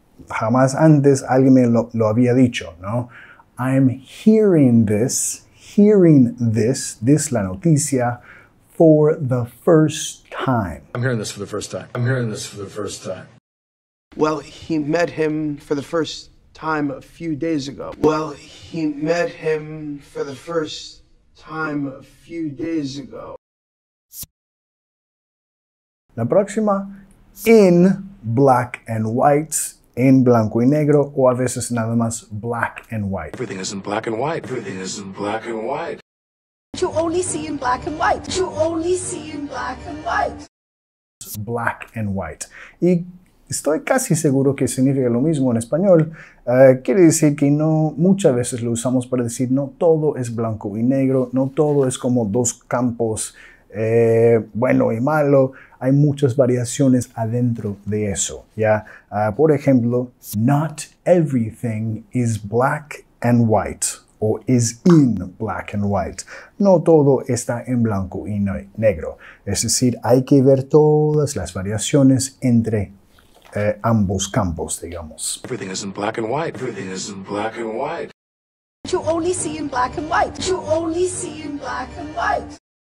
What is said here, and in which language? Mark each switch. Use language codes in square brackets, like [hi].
[es] jamás antes alguien me lo había dicho, ¿no? [en] I'm hearing this, this [es] la noticia, [en] for the first time. I'm hearing this for the first time. I'm hearing this for the first time. Well, he met him for the first time a few days ago. Well, he met him for the first time a few days ago. [es] La próxima, [en] in black and white, [es] en blanco y negro, o a veces nada más, [en] black and white. Everything is in black and white. Everything is in black and white. You only see in black and white. You only see in black and white. Black and white. [es] Y estoy casi seguro que significa lo mismo en español. Quiere decir que no, muchas veces lo usamos para decir no todo es blanco y negro, no todo es como dos campos bueno y malo. Hay muchas variaciones adentro de eso, ¿ya? Por ejemplo, [en] not everything is black and white, o is in black and white. [es] No todo está en blanco y negro. Es decir, hay que ver todas las variaciones entre ambos campos, digamos. [en] Everything is in black and white. Everything is in black and white. You only see in black and white. You only see in black and white.